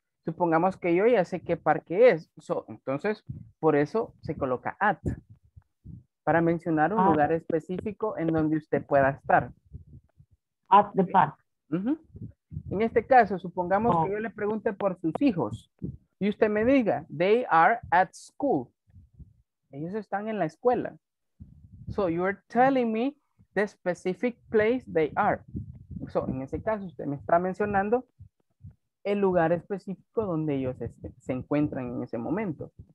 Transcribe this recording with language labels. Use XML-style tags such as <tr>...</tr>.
<es>Supongamos que yo ya sé qué parque es. So, entonces, por eso se coloca at. Para mencionar un lugar específico en donde usted pueda estar.</es> <en>At the park.</en> <es>En este caso, supongamos que yo le pregunte por sus hijos. Y usted me diga,</es> <en>they are at school.</en> <es>Ellos están en la escuela.</es> <en>So, you're telling me the specific place they are.</en> <es>So, en ese caso, usted me está mencionando el lugar específico donde ellos se encuentran en ese momento.</es>